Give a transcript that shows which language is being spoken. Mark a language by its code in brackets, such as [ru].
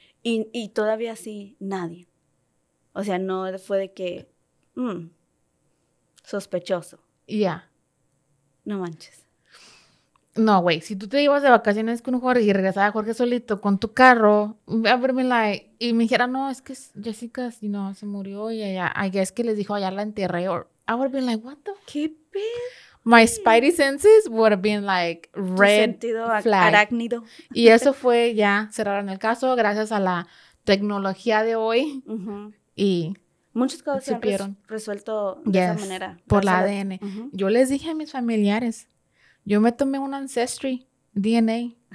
[es] Y todavía sí, nadie. O sea, no fue de que... sospechoso. [en] Yeah. [es] No manches. No, güey. Si tú te ibas de vacaciones con Jorge y regresaba Jorge solito con tu carro, y me dijera, no, es que Jessica, [en] you know, [es] se murió y allá, [en] I guess [es] que les dijo, allá la enterré. [en] Or, I would have been like, what the fuck? [es] ¿Qué pedo? [en] My spidey senses would have been like red flag. [es] Arácnido. Y eso fue, ya cerraron el caso gracias a la tecnología de hoy. Uh-huh. Y muchas cosas supieron. Se han resuelto de esa manera. Por la ADN. Uh-huh. Yo les dije a mis familiares, yo me tomé un Ancestry DNA.